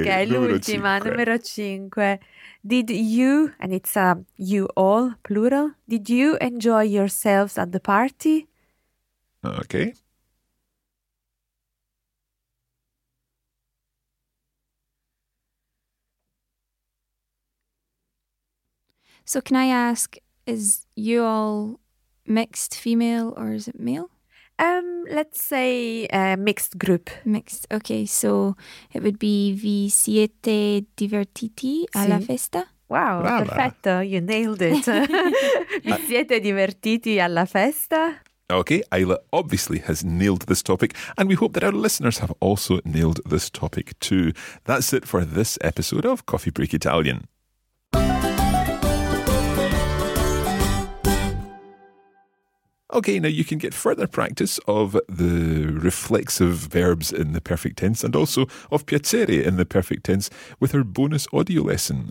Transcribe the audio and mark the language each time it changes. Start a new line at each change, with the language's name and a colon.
Italian: okay, l'ultima, numero cinque.
English: Did you, and it's a you all, plural, did you enjoy yourselves at the party? Okay. So can I ask, is you all mixed female or is it male? Let's say a mixed group. Mixed, okay. So it would be
Italian: vi siete divertiti alla festa?
English: Wow,
Italian: brava. Perfetto,
English: you nailed it.
Italian: Vi siete divertiti alla festa?
English: Okay, Ayla obviously has nailed this topic, and we hope that our listeners have also nailed this topic too. That's it for this episode of Coffee Break Italian. Okay, now you can get further practice of the reflexive verbs in the perfect tense and also of piacere in the perfect tense with our bonus audio lesson.